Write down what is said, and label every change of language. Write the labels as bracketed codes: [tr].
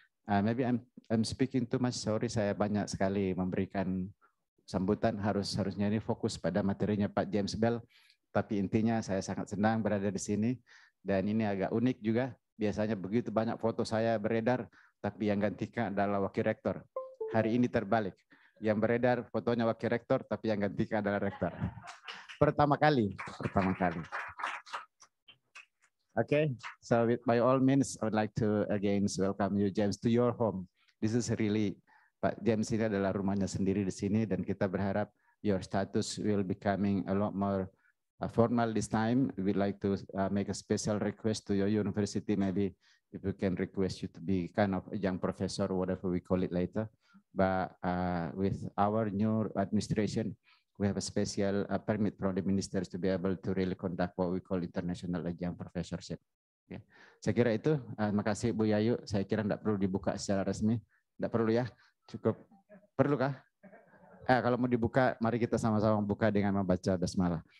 [en] Maybe I'm speaking too much, sorry, [id] saya banyak sekali memberikan sambutan, harusnya ini fokus pada materinya Pak James Bell, tapi intinya saya sangat senang berada di sini, dan ini agak unik juga, biasanya begitu banyak foto saya beredar, tapi yang gantikan adalah Wakil Rektor. Hari ini terbalik, yang beredar fotonya Wakil Rektor, tapi yang gantikan adalah Rektor. Pertama kali. [en] Okay, so by all means, I would like to again welcome you, James, to your home. This is really, Pak James [id] ini adalah rumahnya sendiri di sini, dan kita berharap [en] your status will becoming a lot more formal this time. We'd like to make a special request to your university, maybe if we can request you to be kind of a young professor, whatever we call it later. But with our new administration, we have a special permit from the ministers to be able to really conduct what we call international adjunct professorship. [id] Yeah. Saya kira itu. Terima kasih Bu Yayu. Saya kira tidak perlu dibuka secara resmi. Tidak perlu ya. Cukup. Perlukah? Kalau mau dibuka, mari kita sama-sama buka dengan membaca basmalah.